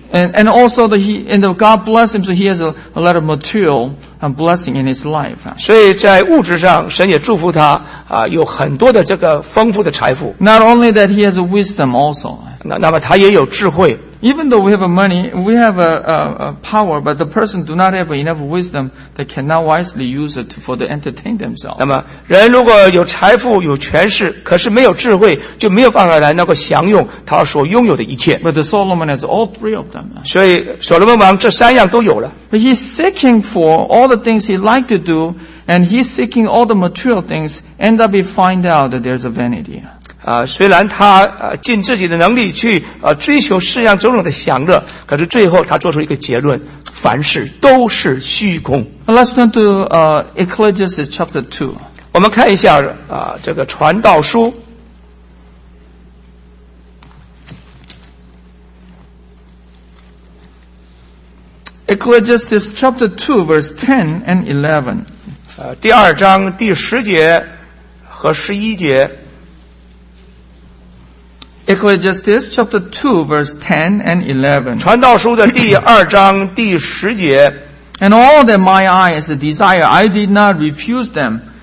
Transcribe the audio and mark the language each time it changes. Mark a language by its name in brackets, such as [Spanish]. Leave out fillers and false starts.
[English] And also that he and God bless him, so he has a lot of material blessing in his life. [Chinese] 所以在物质上，神也祝福他有很多的这个丰富的财富。 [English] Not only that, he has wisdom also. [Chinese] 那么他也有智慧。 [English] Even though we have money, we have a power, but the person do not have enough wisdom, they cannot wisely use it for to entertain themselves. [Chinese] 那么人如果有财富有权势，可是没有智慧，就没有办法来能够享用他所拥有的一切。 [English] But Solomon has all three of them. [Chinese] 所以所罗门王这三样都有了。 [English] But he's seeking for all the things he like to do, and he's seeking all the material things, end up he find out that there's a vanity. [Chinese] 虽然他尽自己的能力去追求世上种种的享乐，可是最后他做出一个结论，凡事都是虚空。 [English] Let's turn to Ecclesiastes chapter 2. [Chinese] 我们看一下这个传道书。 [English] Ecclesiastes chapter 2 verse 10 and 11. [Chinese] 第二章第十节和十一节。 [English] Ecclesiastes chapter 2 verse 10 and 11. [Chinese] 传道书的第二章第十节。 [English] And all that my eyes desire, I did not refuse them.